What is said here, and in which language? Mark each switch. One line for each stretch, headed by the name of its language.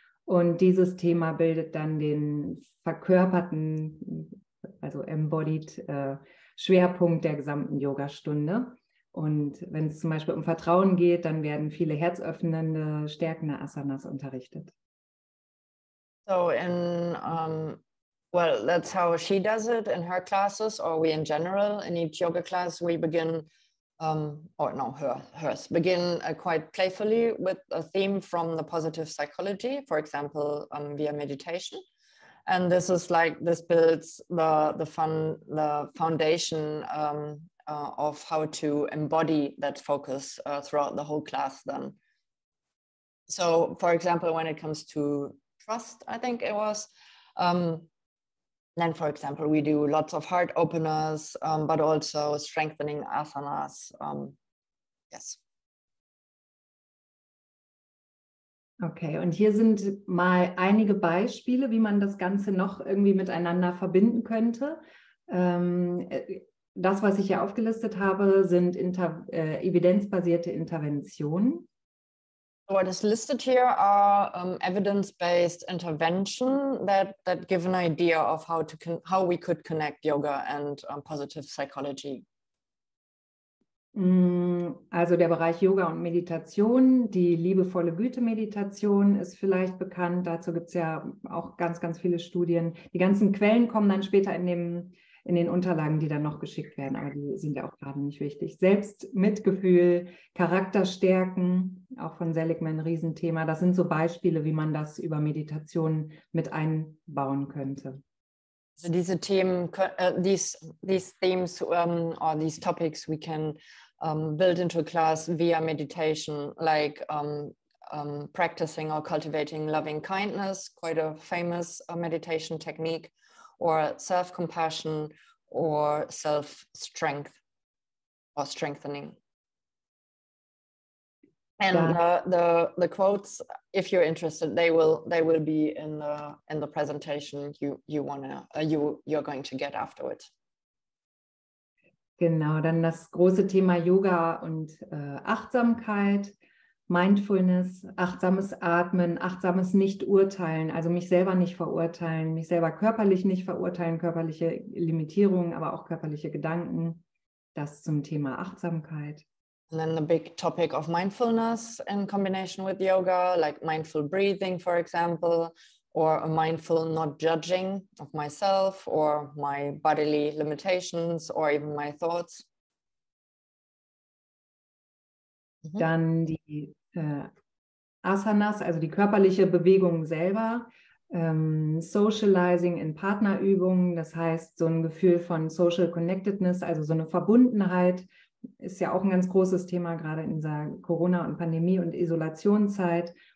German: Und dieses Thema bildet dann den verkörperten, also embodied Schwerpunkt der gesamten Yogastunde. Und wenn es zum Beispiel um Vertrauen geht, dann werden viele herzöffnende, stärkende Asanas unterrichtet.
English: So in Well, that's how she does it in her classes, or we in general. In each yoga class, we begin, quite playfully with a theme from the positive psychology, for example, via meditation. And this is like, this builds the foundation of how to embody that focus throughout the whole class then. So, for example, when it comes to trust, I think it was, then, for example, we do lots of heart openers, but also strengthening asanas. Yes.
German: Okay, und hier sind mal einige Beispiele, wie man das Ganze noch irgendwie miteinander verbinden könnte. Das, was ich hier aufgelistet habe, sind evidenzbasierte Interventionen.
English: What is listed here are evidence-based intervention that give an idea of how we could connect yoga and positive psychology.
German: Also der Bereich Yoga und Meditation, die liebevolle Güte-Meditation ist vielleicht bekannt. Dazu gibt es ja auch ganz, ganz viele Studien. Die ganzen Quellen kommen dann später in den Unterlagen, die dann noch geschickt werden, aber die sind ja auch gerade nicht wichtig. Selbst Mitgefühl, Charakter stärken, auch von Seligman ein Riesenthema. Das sind so Beispiele, wie man das über Meditation mit einbauen könnte. So diese Themen,
English: these themes, or these topics we can build into a class via meditation, like practicing or cultivating loving kindness, quite a famous meditation technique, or self-compassion or self-strength or strengthening. And the quotes, if you're interested, they will be in the presentation you're going to get afterwards.
German: Genau, dann das große Thema Yoga und Achtsamkeit, Mindfulness, achtsames Atmen, achtsames Nicht-Urteilen, also mich selber nicht verurteilen, mich selber körperlich nicht verurteilen, körperliche Limitierungen, aber auch körperliche Gedanken, das zum Thema Achtsamkeit.
English: And then the big topic of mindfulness in combination with yoga, like mindful breathing, for example, or a mindful not judging of myself or my bodily limitations or even my thoughts. Mm-hmm.
German: Dann die Asanas, also die körperliche Bewegung selber, socializing in Partnerübungen, das heißt so ein Gefühl von
English: social connectedness,
German: also so eine Verbundenheit. Ist ja auch ein ganz großes Thema, gerade in dieser Corona- und Pandemie- und Isolationszeit.